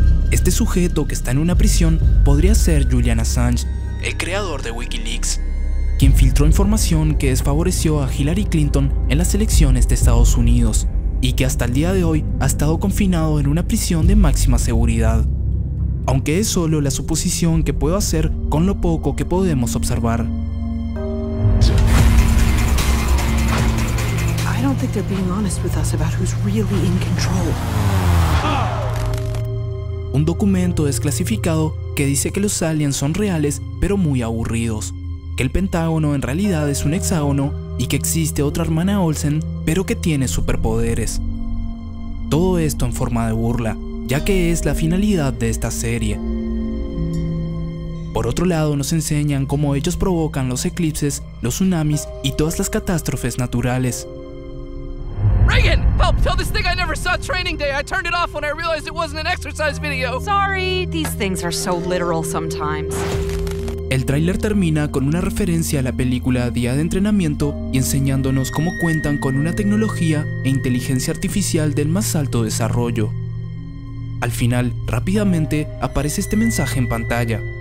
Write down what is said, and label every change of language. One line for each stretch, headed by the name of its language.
Spanish: Este sujeto que está en una prisión podría ser Julian Assange, el creador de WikiLeaks, quien filtró información que desfavoreció a Hillary Clinton en las elecciones de Estados Unidos, y que hasta el día de hoy ha estado confinado en una prisión de máxima seguridad. Aunque es solo la suposición que puedo hacer con lo poco que podemos observar.
English: I don't think they're being honest with us about who's really in control.
Spanish: Un documento desclasificado que dice que los aliens son reales, pero muy aburridos. Que el Pentágono en realidad es un hexágono y que existe otra hermana Olsen, pero que tiene superpoderes. Todo esto en forma de burla, ya que es la finalidad de esta serie. Por otro lado, nos enseñan cómo ellos provocan los eclipses, los tsunamis y todas las catástrofes naturales.
English: Reagan, help! Tell this thing I never saw training day. I turned it off when I realized it wasn't an exercise video. Sorry, these things are so literal sometimes.
Spanish: El tráiler termina con una referencia a la película Día de Entrenamiento y enseñándonos cómo cuentan con una tecnología e inteligencia artificial del más alto desarrollo. Al final, rápidamente, aparece este mensaje en pantalla.